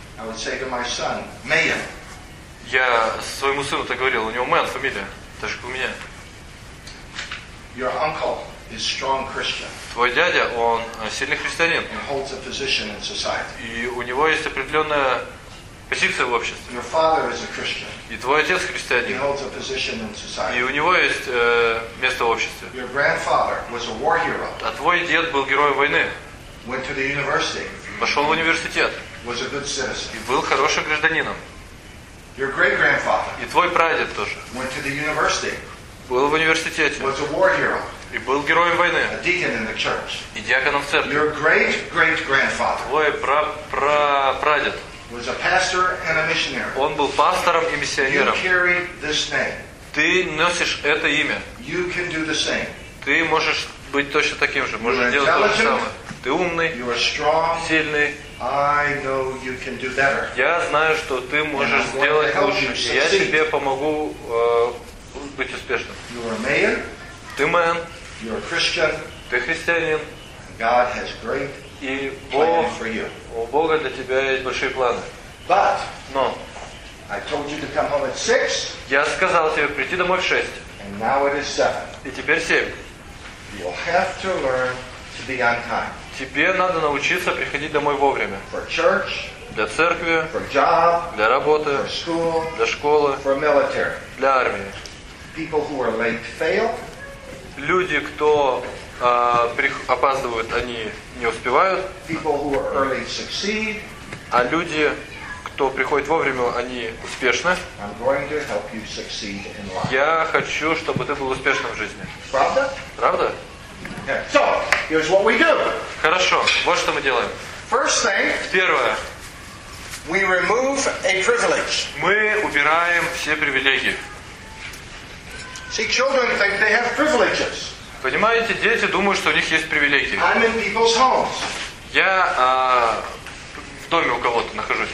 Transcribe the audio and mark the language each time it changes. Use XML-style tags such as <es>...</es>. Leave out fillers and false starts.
<en>I would say to my son, Mayan.</en> <ru>Я своему сыну так говорил, у него Мэн, фамилия, так же как у меня.</ru> <en>Your uncle is strong Christian.</en> <ru>Твой дядя, он сильный христианин.</ru> <en>He holds a position in society.</en> <ru>И у него есть определенная позиция в обществе.</ru> <en>Your father is a Christian.</en> <ru>И твой отец христианин.</ru> <en>He holds a position in society.</en> <ru>И у него есть место в обществе.</ru> <en>Your grandfather was a war hero.</en> <ru>А твой дед был героем войны.</ru> <en>Went to the university.</en> <ru>Пошел в университет.</ru> <en>Was a good citizen.</en> <ru>И был хорошим гражданином.</ru> <en>Your great-grandfather.</en> <ru>И твой прадед тоже.</ru> <en>Went to the university.</en> <ru>Был в университете.</ru> <en>Was a war hero.</en> <ru>И был героем войны.</ru> <en>A deacon in the church.</en> <ru>И диаконом в церкви.</ru> <en>Your great-great-grandfather.</en> <ru>Твой прадед.</ru> <en>Was a pastor and a missionary.</en> <ru>Он был пастором и миссионером.</ru> <en>You carry this name.</en> <ru>Ты носишь это имя.</ru> <en>You can do the same.</en> <ru>Ты можешь быть точно таким же. Можешь делать то же самое. Ты умный.</ru> <en>You are strong.</en> <ru>Сильный.</ru> <en>I know you can do better.</en> <ru>Я знаю, что ты можешь сделать лучше. Я тебе помогу быть успешным.</ru> <en>You are man.</en> <ru>Ты мэн.</ru> <en>You are Christian.</en> <ru>Ты христианин.</ru> <en>God has great plans for you.</en> <ru>У Бога для тебя есть большие планы.</ru> <en>But.</en> <ru>Но.</ru> <en>I told you to come home at 6.</en> <ru>Я сказал тебе прийти домой в 6.</ru> <en>And now it is 7.</en> <ru>И теперь 7.</ru> <en>You have to learn to be on time.</en> <ru>Тебе надо научиться приходить домой вовремя.</ru> <en>For church,</en> <ru>для церкви,</ru> <en>for job,</en> <ru>для работы,</ru> <en>for school,</en> <ru>для школы,</ru> <en>for military.</en> <ru>Для армии.</ru> <en>People who are late fail.</en> <ru>Люди, кто опаздывают, они не успевают.</ru> <en>People who are early succeed.</en> <ru>А люди, кто приходит вовремя, они успешны.</ru> <en>I'm going to help you succeed in life.</en> <ru>Я хочу, чтобы ты был успешным в жизни. Правда? Правда?</ru> <en>Okay. So, here's what we do.</en> <ru>Хорошо, вот что мы делаем.</ru> <en>First thing,</en> <ru>первое.</ru> <en>We remove a privilege.</en> <ru>Мы убираем все привилегии.</ru> <en>See, children think they have privileges.</en> <ru>Понимаете, дети думают, что у них есть привилегии.</ru> <en>I'm in people's homes.</en> <ru>Я в доме у кого-то нахожусь.</ru>